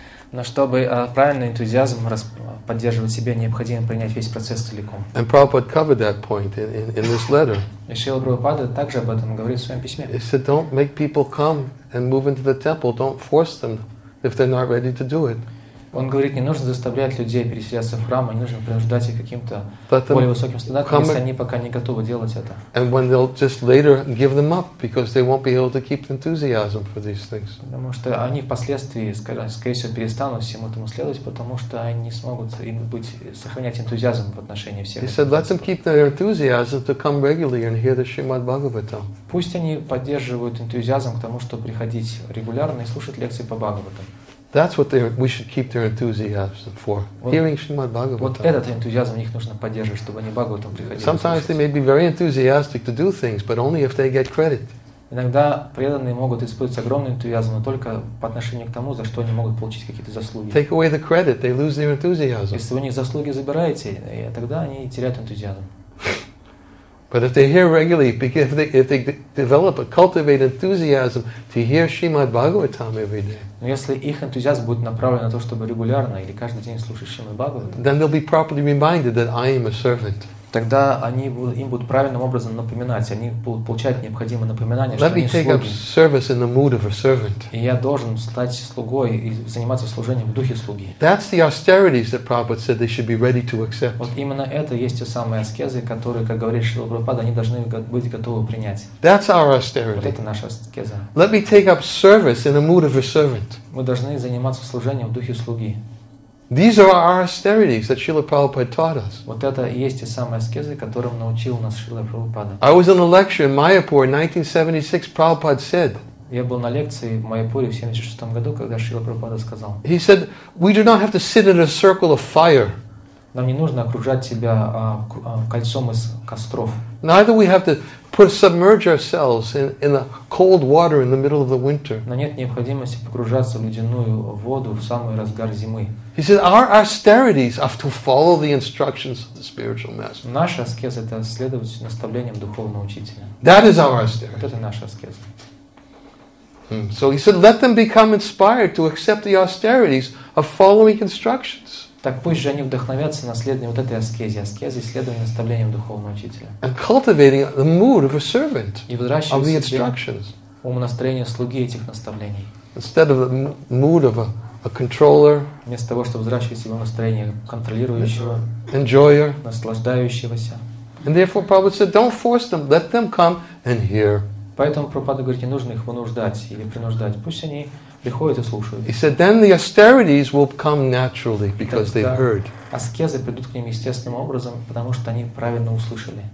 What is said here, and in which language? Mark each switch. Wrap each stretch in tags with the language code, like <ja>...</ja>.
<ru>Но чтобы правильный энтузиазм поддерживать себе, необходимо принять весь процесс целиком.</ru> <en>And Prabhupada covered that point in this letter.</en> <ru>И Шрила Прабхупада также об этом говорит в своем письме.</ru> <en>He said, don't make people come and move into the temple. Don't force them if they're not ready to do it.</en> <ru>Он говорит, не нужно заставлять людей переселяться в храм, не нужно принуждать их каким-то более высоким стандартам, если они пока не готовы делать это.</ru> <en>And when they'll just later give them up, because they won't be able to keep enthusiasm for these things.</en> <ru>Потому что они впоследствии, скорее всего, перестанут всему этому следовать, потому что они не смогут им быть сохранять энтузиазм в отношении всех.</ru> <en>He said, let them keep their enthusiasm to come regularly and hear the Shrimad Bhagavatam.</en> <ru>Пусть они поддерживают энтузиазм к тому, чтобы приходить регулярно и слушать лекции по Бхагаватам.</ru> <en>That's what we should keep their enthusiasm for. Well, hearing Shrimad Bhagavatam.</en> <ru>Вот этот энтузиазм их нужно поддерживать, чтобы они Бхагаватам приходили.</ru> <en>Sometimes they may be very enthusiastic to do things, but only if they get credit.</en> <ru>Иногда преданные могут испытывать огромный энтузиазм, но только по отношению к тому, за что они могут получить какие-то заслуги.</ru> <en>Take away the credit, they lose their enthusiasm.</en> <ru>Если вы у них заслуги забираете, тогда они теряют энтузиазм.</ru> <en>But if they hear regularly, if they develop or cultivate enthusiasm to hear Shrimad Bhagavatam every day,</en> <ru>если их энтузиазм будет направлен на то, чтобы регулярно или каждый день слушать Шримад Бхагаватам,</ru> <en>then they'll be properly reminded that I am a servant.</en> <ru>тогда они им будут правильным образом напоминать, они будут получать необходимое напоминание, что они слуги.</ru> <en>Let me take up service in the mood of a servant.</en> <ru>И я должен стать слугой и заниматься служением в духе слуги.</ru> <en>That's the austerities that Prabhupada said they should be ready to accept.</en> <ru>Вот именно это есть те самые аскезы, которые, как говорит Шрила Прабхупада, они должны быть готовы принять.</ru> <en>That's our austerity.</en> <ru>Вот это наша аскеза.</ru> <en>Let me take up service in the mood of a servant.</en> <ru>Мы должны заниматься служением в духе слуги.</ru> <en>These are our austerities that Srila Prabhupada taught us.</en> <ru>Вот это и есть те самые аскезы, которым научил нас Шрила Прабхупада.</ru> <en>I was in a lecture in Mayapur in 1976. Prabhupada said.</en> <ru>Я был на лекции в Майяпуре в 76 году, когда Шрила Прабхупада сказал.</ru> <en>He said, "We do not have to sit in a circle of fire."</en> <ru>Нам не нужно окружать себя кольцом из костров.</ru> <en>Neither we have to put submerge ourselves in the cold water in the middle of the winter.</en> <ru>Но нет необходимости погружаться в ледяную воду в самый разгар зимы.</ru> <en>He said, "Our austerities are to follow the instructions of the spiritual master."</en> <ru>Наша аскеза — это следовать наставлениям духовного учителя.</ru> <en>That is our austerity.</en> <ru>Это наша аскеза.</ru> <en>So he said, "Let them become inspired to accept the austerities of following instructions."</en> <ru>Так пусть же они вдохновятся наследованием вот этой аскезы, аскезы следования наставлениям духовного учителя.</ru> <en>And cultivating the mood of a servant.</en> <ru>И выращивать в себе instructions. Умонастроение слуги этих наставлений.</ru> <en>Instead of the mood of a controller,</en> <ru>вместо того, чтобы взращивать себе настроение контролирующего,</ru> <en>enjoyer,</en> <ru>наслаждающегося.</ru> <en>And therefore Prabhupada said, don't force them, let them come and hear.</en> <ru>Поэтому Прабхупада говорит, не нужно их вынуждать или принуждать, пусть они приходят и слушают.</ru> <en>He said, then the austerities will come naturally because they heard.</en> <ru>Аскезы придут к ним естественным образом, потому что они правильно услышали.</ru>